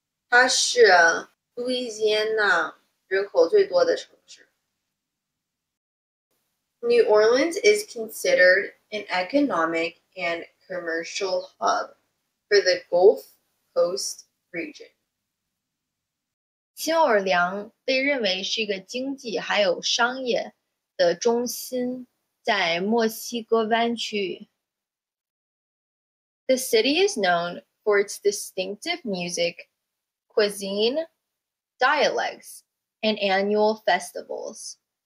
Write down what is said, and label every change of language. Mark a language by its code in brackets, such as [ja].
[zh] 它是 Louisiana 人口最多的城市. [en] New Orleans is considered an economic and commercial hub for the Gulf Coast region. [zh] 新奥尔良被认为是一个经济还有商业的中心，在墨西哥湾区域. [en] The city is known for its distinctive music, cuisine, dialects, and annual festivals.